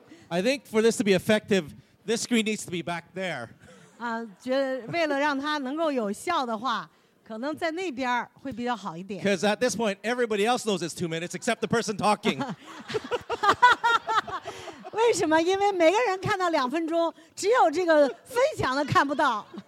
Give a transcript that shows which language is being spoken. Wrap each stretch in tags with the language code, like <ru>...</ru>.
<en>I think for this to be effective, this screen needs to be back there.</en> <zh>觉得为了让它能够有效的话，可能在那边会比较好一点。</zh> <en>Because at this point, everybody else knows it's 2 minutes except the person talking.</en> <zh>为什么？因为每个人看到两分钟，只有这个分享的看不到。</zh>